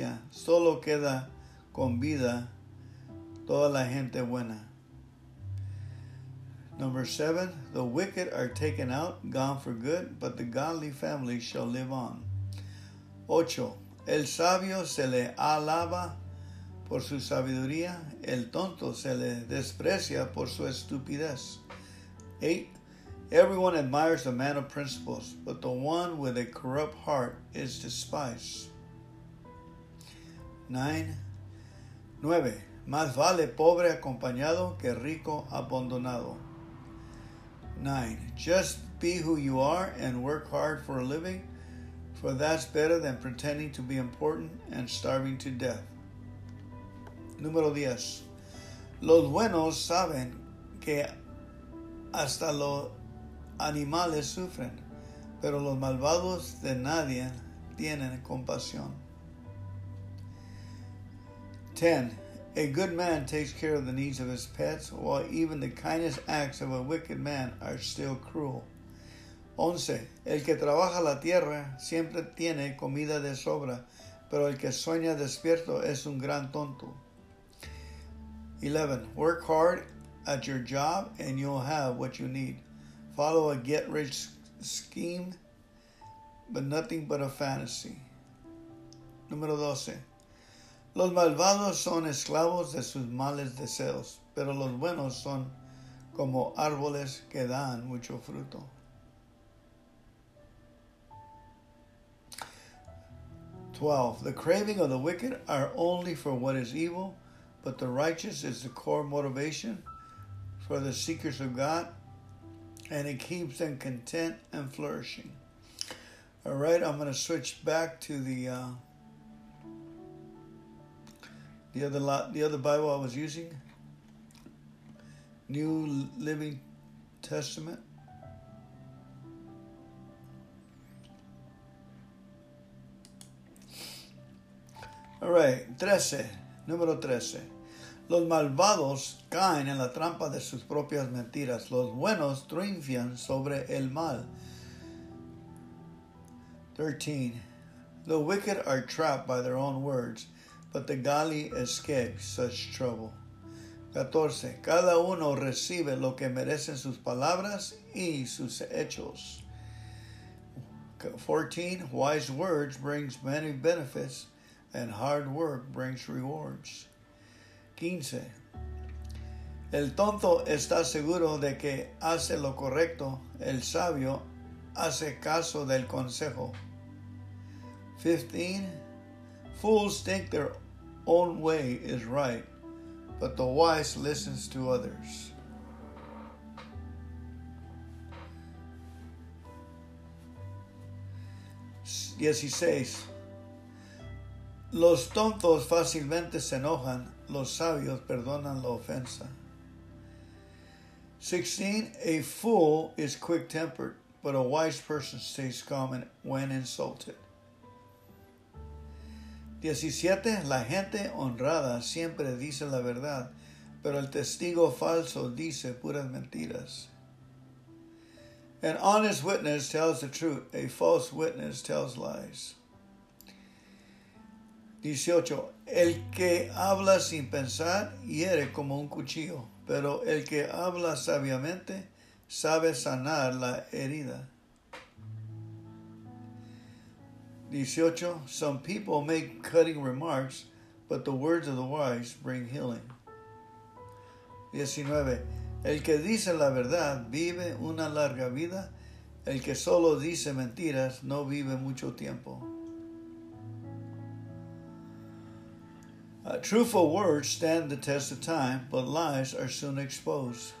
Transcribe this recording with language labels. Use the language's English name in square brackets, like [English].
[Spanish] Solo queda con vida toda la gente buena. [English] Number seven, the wicked are taken out, gone for good, but the godly family shall live on. [Spanish] Ocho, el sabio se le alaba por su sabiduría, el tonto se le desprecia por su estupidez. [English] Eight, everyone admires a man of principles, but the one with a corrupt heart is despised. [Spanish] Nueve, más vale pobre acompañado que rico abandonado. [English] 9. Just be who you are and work hard for a living, for that's better than pretending to be important and starving to death. [Spanish] Número 10. Los buenos saben que hasta los animales sufren, pero los malvados de nadie tienen compasión. [English] 10. A good man takes care of the needs of his pets, while even the kindest acts of a wicked man are still cruel. [Spanish] 11. El que trabaja la tierra siempre tiene comida de sobra, pero el que sueña despierto es un gran tonto. [English] 11. Work hard at your job and you'll have what you need. Follow a get-rich scheme, but nothing but a fantasy. [Spanish] Número 12. Los malvados son esclavos de sus males deseos, pero los buenos son como árboles que dan mucho fruto. [English] Twelve. The craving of the wicked are only for what is evil, but the righteous is the core motivation for the seekers of God, and it keeps them content and flourishing. All right, I'm going to switch back to the other Bible I was using, New Living Testament. All right, 13, número 13. [Spanish] Los malvados caen en la trampa de sus propias mentiras. Los buenos triunfan sobre el mal. [English] 13, the wicked are trapped by their own words, but the godly escape such trouble. [Spanish] 14. Cada uno recibe lo que merecen sus palabras y sus hechos. [English] 14, wise words brings many benefits and hard work brings rewards. [Spanish] 15, el tonto está seguro de que hace lo correcto, el sabio hace caso del consejo. [English] 15, fools think their own way is right, but the wise listens to others. Yes, he says, [Spanish] los tontos fácilmente se enojan, los sabios perdonan la ofensa. [English] 16, a fool is quick-tempered, but a wise person stays calm when insulted. [Spanish] 17, la gente honrada siempre dice la verdad, pero el testigo falso dice puras mentiras. [English] An honest witness tells the truth. A false witness tells lies. [Spanish] 18. El que habla sin pensar hiere como un cuchillo, pero el que habla sabiamente sabe sanar la herida. [English] 18. Some people make cutting remarks, but the words of the wise bring healing. [Spanish] 19. El que dice la verdad vive una larga vida. El que solo dice mentiras no vive mucho tiempo. [English] Truthful words stand the test of time, but lies are soon exposed.